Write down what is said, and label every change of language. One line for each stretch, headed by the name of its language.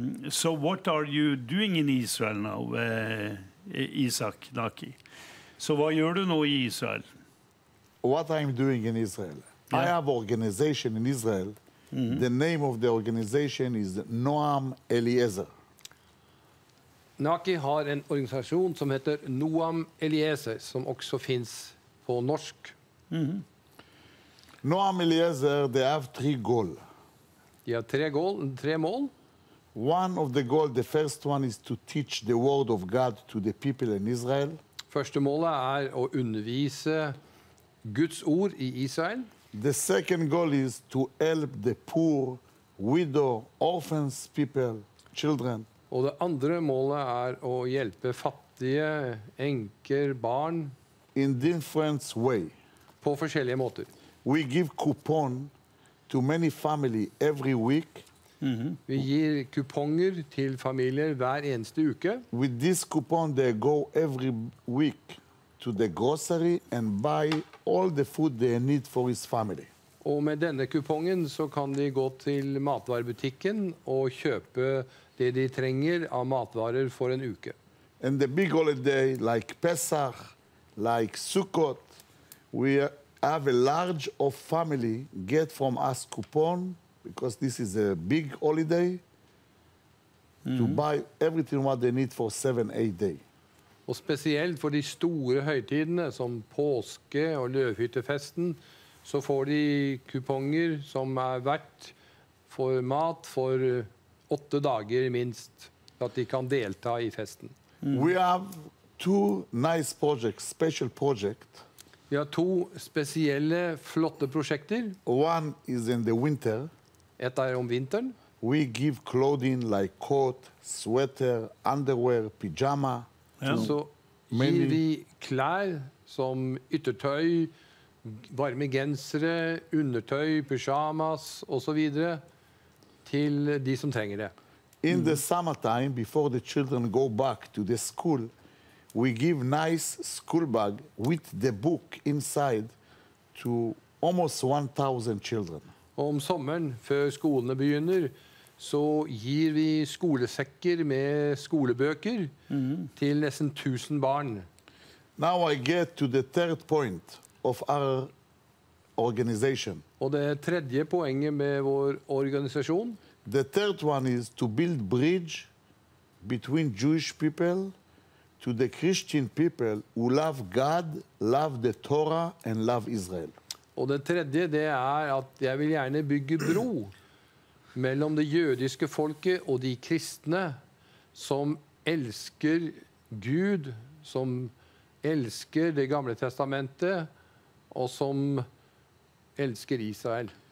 English: So what are you doing in Israel now, Isak Naki?
Norwegian: Så hva gjør du nå i Israel?
English: What I'm doing in Israel? Yeah. I have organization in Israel. Mm-hmm. The name of the organization is Noam Eliezer.
Norwegian: Naki har en organisasjon som heter Noam Eliezer, som også finnes på norsk.
English: Mm-hmm. Noam Eliezer, they have three goals.
Norwegian: De har tre mål.
English: One of the goals, the first one is to teach the word of God to the people in Israel.
Norwegian: Første målet er å undervise Guds ord i Israel.
English: The second goal is to help the poor, widow, orphans, people, children.
Norwegian: Og det andre målet er å hjelpe fattige, enker, barn.
English: In different way.
Norwegian: På forskjellige måter.
English: We give coupon to many family every week.
Norwegian: Mm-hmm. Vi gir kuponger til familier hver eneste uke.
English: With this coupon they go every week to the grocery and buy all the food they need for his family.
Norwegian: Og med denne kupongen så kan de gå til matvarebutikken og kjøpe det de trenger av matvarer for en uke.
English: And the big holiday like Pesach, like Sukkot, we have a large of family get from us coupon because this is a big holiday to buy everything what they need for 7-8 days.
Norwegian: Og spesielt for de store høytidene, som påske og løvhyttefesten, så får de kuponger som er verdt for mat for 8 dager minst, for at de kan delta i festen.
English: We have two nice projects, special project.
Norwegian: Vi har to spesielle, flotte prosjekter.
English: One is in the winter.
Norwegian: Et er om vinteren.
English: We give clothing like coat, sweater, underwear, pyjama.
Norwegian: Så gir vi klær som yttertøy, varme gensere, undertøy, pyjamas og så videre til de som trenger det.
English: In the summertime, before the children go back to the school, we give nice school bag with the book inside to almost 1,000 children.
Norwegian: Om sommeren, før skolene begynner, så gir vi skolesekker med skolebøker til nesten 1,000 barn.
English: Now I get to the third point of our organization.
Norwegian: Og det tredje poenget med vår organisasjon.
English: The third one is to build bridge between Jewish people to the Christian people who love God, love the Torah and love Israel.
Norwegian: Og det tredje det er at jeg vil gjerne bygge bro mellom det jødiske folket og de kristne som elsker Gud, som elsker det gamle testamentet og som elsker Israel.